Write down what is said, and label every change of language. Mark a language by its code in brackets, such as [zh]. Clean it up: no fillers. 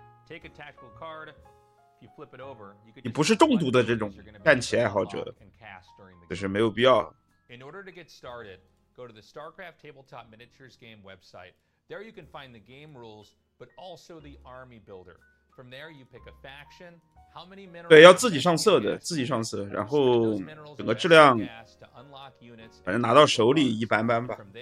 [en] Take a tactical card, if you flip it over, you could. [zh] 你不是中毒的这种战旗爱好者，就是没有必要。 [en] In order to get started, go to the StarCraft Tabletop Miniatures Game website. There you can find the game rules, but also the army builder. From there, you pick a faction. [zh] 对，要自己上色的，自己上色，然后整个质量，反正拿到手里一般般吧。